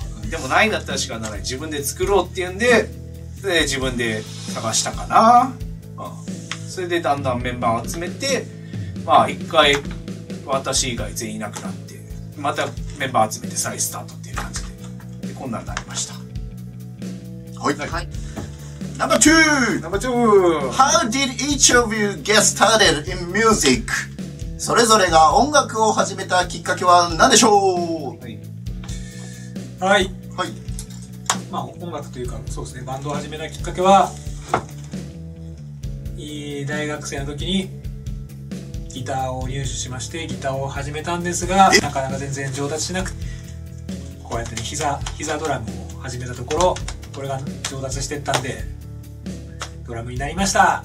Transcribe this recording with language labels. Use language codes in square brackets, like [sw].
[ja] でもないんだったらしかない、自分で作ろうって言うん で自分で探したかな、うん、それでだんだんメンバーを集めて、まあ一回私以外全員いなくなって、またメンバー集めて再スタートっていう感じ でこんなになりました。はい、はい、 [en] Number 2 How did each of you get started in music? [ja] それぞれが音楽を始めたきっかけは何でしょう。はい、まあ、音楽というか、そうですね、バンドを始めたきっかけは、大学生の時にギターを入手しまして、ギターを始めたんですが、なかなか全然上達しなくて、こうやって、ね、膝ドラムを始めたところ、これが上達してったんで、ドラムになりました。